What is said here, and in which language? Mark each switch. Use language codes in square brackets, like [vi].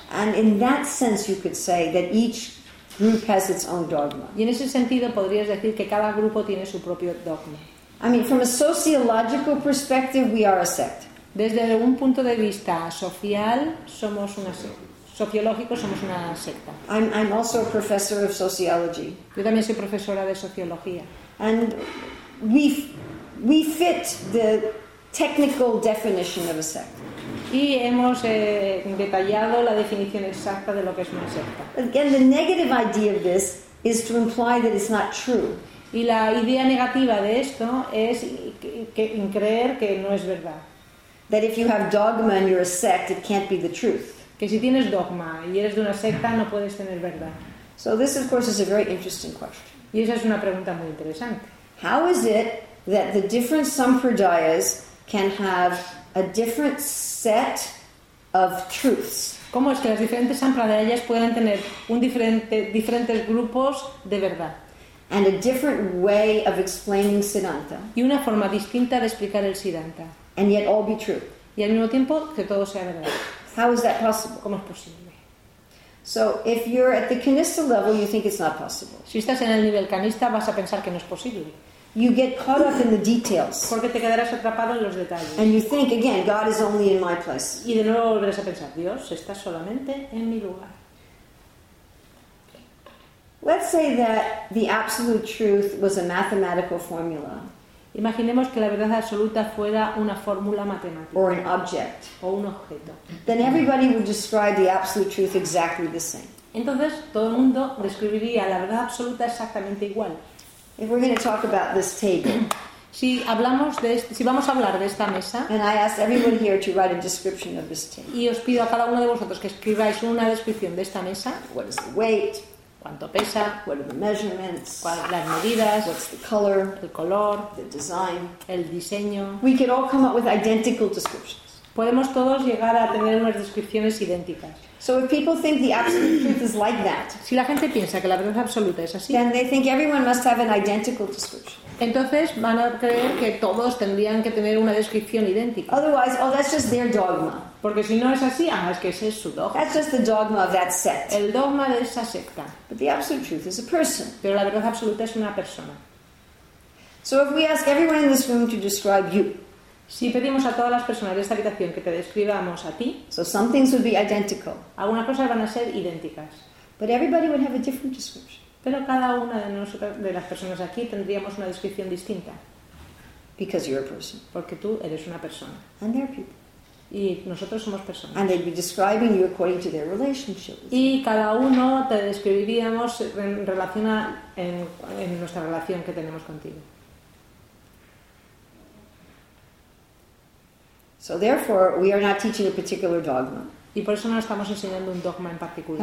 [en] And in that sense you could say that each group has its own dogma. [es] Y en ese sentido podrías decir que cada grupo tiene su propio dogma. [en] I mean, from a sociological perspective we are a sect. [es] Desde un punto de vista social somos una secta. Sociológico somos una secta. [en] I'm also a professor of sociology. [es] Yo también soy profesora de sociología. [en] And we fit the technical definition of a sect. [es] Y hemos detallado la definición exacta de lo que es una secta. [en] Again, the negative idea of this is to imply that it's not true. [es] Y la idea negativa de esto es creer que no es verdad. [en] That if you have dogma and you're a sect, it can't be the truth. [es] Que si tienes dogma y eres de una secta no puedes tener verdad. [en] So this of course is a very interesting question. [es] Y esa es una pregunta muy interesante. [en] How is it that the different sampradayas can have a different set of truths? [es] ¿Cómo es que las diferentes sampradayas pueden tener diferentes grupos de verdad? [en] And a different way of explaining Siddhanta. [es] Y una forma distinta de explicar el Siddhanta. [en] And yet all be true. [es] Y al mismo tiempo que todo sea verdad. [en] How is that possible? [es] ¿Cómo es posible? [en] So if you're at the Kanista level, you think it's not possible. [es] Si estás en el nivel Kanista, vas a pensar que no es posible. [en] You get caught up in the details. [es] Porque te quedarás atrapado en los detalles. [en] And you think, again, God is only in my place. [es] Y de nuevo volverás a pensar, Dios está solamente en mi lugar. [en] Let's say that the absolute truth was a mathematical formula. [es] Imaginemos que la verdad absoluta fuera una fórmula matemática. [en] Or an object. [es] O un objeto. [en] Then everybody would describe the absolute truth exactly the same. [es] Entonces, todo el mundo describiría la verdad absoluta exactamente igual. [en] If we're going to talk about this table. [es] Si vamos a hablar de esta mesa. [en] And I ask everyone here to write a description of this table. [es] Y os pido a cada uno de vosotros que escribáis una descripción de esta mesa. [en] What is the weight? [es] ¿Cuánto pesa? [en] What are the measurements? [es] Las medidas. [en] What's the color? [es] El color. [en] The design. [es] El diseño. [en] We could all come up with identical descriptions. [es] Podemos todos llegar a tener unas descripciones idénticas. [en] So if people think the absolute truth is like that, [es] si la gente piensa que la verdad absoluta es así, [en] then they think everyone must have an identical description. [es] Entonces van a creer que todos tendrían que tener una descripción idéntica. [en] Otherwise, oh, that's just their dogma. [es] Porque si no es así, ah, es que ese es su dogma. [en] That's just the dogma of that sect. [es] El dogma de esa secta. [en] But the absolute truth is a person. [es] Pero la verdad absoluta es una persona. [en] So if we ask everyone in this room to describe you, [es] si pedimos a todas las personas de esta habitación que te describamos a ti, [en] so some things would be identical. [es] Algunas cosas van a ser idénticas. [en] But everybody would have a different description. [es] Pero cada una de nosotras, de las personas aquí, tendríamos una descripción distinta. [en] Because you're a person. [es] Porque tú eres una persona. [en] And they're people. [es] Y nosotros somos personas. [en] And they'd be describing you according to their relationship. [es] Y cada uno te describiríamos en relación a en nuestra relación que tenemos contigo. [en] So therefore, we are not teaching a particular dogma. [es] Y por eso no estamos enseñando un dogma en particular.